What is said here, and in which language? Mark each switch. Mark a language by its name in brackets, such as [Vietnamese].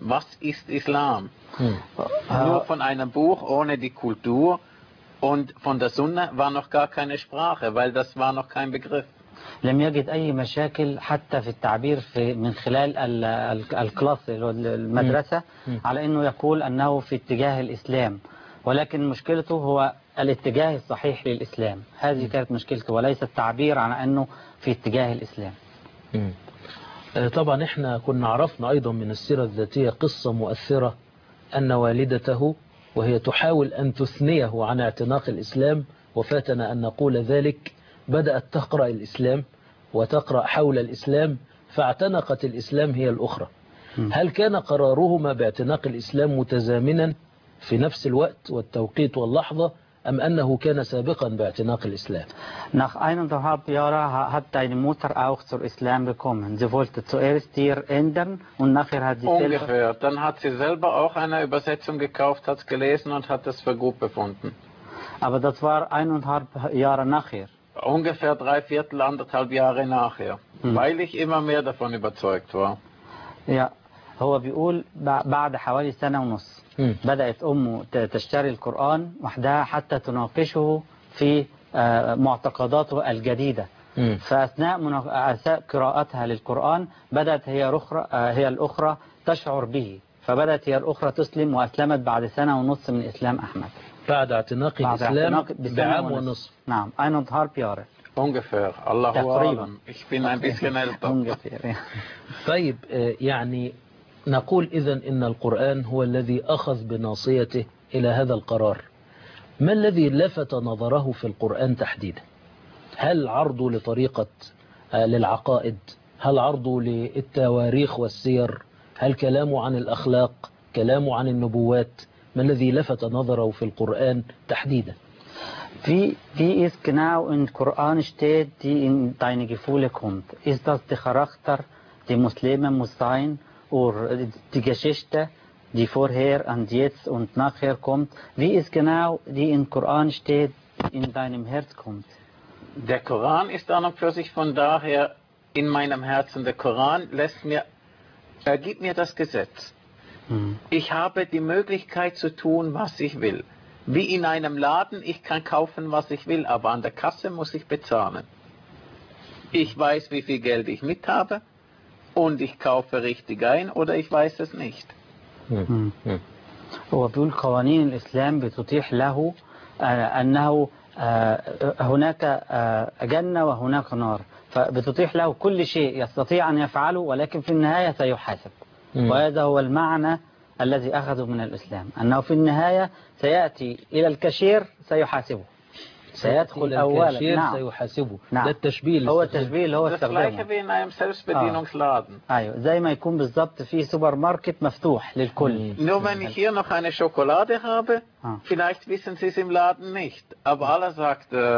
[German] Was ist Islam? Nur von einem Buch ohne die Kultur und von der Sunna war noch gar keine Sprache, weil das war noch kein Begriff. [Arabic] لم يجد أي مشاكل حتى في التعبير في من خلال الكلاس المدرسة على أنه يقول أنه في اتجاه الإسلام، ولكن مشكلته هو الاتجاه الصحيح للإسلام. هذه كانت مشكلته وليس التعبير عن أنه في اتجاه الإسلام. طبعا إحنا كنا عرفنا أيضا من السيرة الذاتية قصة مؤثرة أن والدته وهي تحاول أن تثنيه عن اعتناق الإسلام، وفاتنا أن نقول ذلك، بدأت تقرأ الإسلام وتقرأ حول الإسلام فاعتنقت الإسلام هي الأخرى. هل كان قرارهما باعتناق الإسلام متزامنا في نفس الوقت والتوقيت واللحظة أم أنه كان سابقا باعتناق الإسلام؟ [German] Nach einem halben Jahr hat deine Mutter auch zur Islam gekommen. Sie wollte zuerst hier ändern und nachher hat sie selber. Ungefähr. Dann hat sie selber auch eine Übersetzung gekauft, hat es gelesen und hat es für gut befunden. Aber das war eineinhalb Jahre nachher. Ungefähr drei Viertel, anderthalb Jahre nachher, weil ich immer mehr davon überzeugt war. [Arabic] Ja, هو بيقول بعد حوالي سنة ونص بدأت أمه تشتري القرآن وحدها حتى تناقشه في معتقداته الجديدة. فأثناء قراءتها للقرآن بدأت هي الأخرى تشعر به، فبدأت هي الأخرى تسلم وأسلمت بعد سنة ونص من إسلام أحمد. بعد اعتناق الإسلام بعام ونصف. نعم، أين ظهر بياره؟ [German] ungefähr. [Arabic] الله أعلم. [German] ich bin ein bisschen älter. ungefähr. [Arabic] طيب يعني نقول إذن إن القرآن هو الذي أخذ بناصيته إلى هذا القرار. ما الذي لفت نظره في القرآن تحديدا؟ هل عرضه لطريقة للعقائد؟ هل عرضه للتواريخ والسير؟ هل كلامه عن الأخلاق؟ كلامه عن النبوات؟ ما الذي لفت نظره في القرآن تحديدا؟ [German] Wie ist genau in Koran steht, die in deine Gefühle kommt? Ist das der Charakter, die Muslime muss sein, oder die Geschichte, die vorher und jetzt und nachher kommt? Wie ist genau, die in Koran steht, in deinem Herz kommt? Der Koran ist an und für sich von daher in meinem Herzen. Der Koran lässt mir, er gibt mir das Gesetz. Ich habe die Möglichkeit zu tun, was ich will. wie in einem Laden, ich kann kaufen, was ich will, aber an der Kasse muss ich bezahlen. Ich weiß, wie viel Geld ich mit habe und ich kaufe richtig ein oder ich weiß es nicht. [Arabic] وبيقول قوانين الإسلام بتتيح له أنه هناك جنة وهناك نار فبتتيح له كل شيء يستطيع أن يفعله ولكن في النهاية سيحاسب وهذا هو المعنى الذي أخذه من الإسلام أنه في النهاية سيأتي إلى الكشير سيحاسبه سيدخل أولا نعم سيحاسبه نعم. ده التشبيه هو التشبيه اللي هو استخدامه أيوه زي ما يكون بالضبط في سوبر ماركت مفتوح للكل [German] nur wenn ich hier noch eine Schokolade habe vielleicht wissen sie es im Laden nicht aber Allah sagt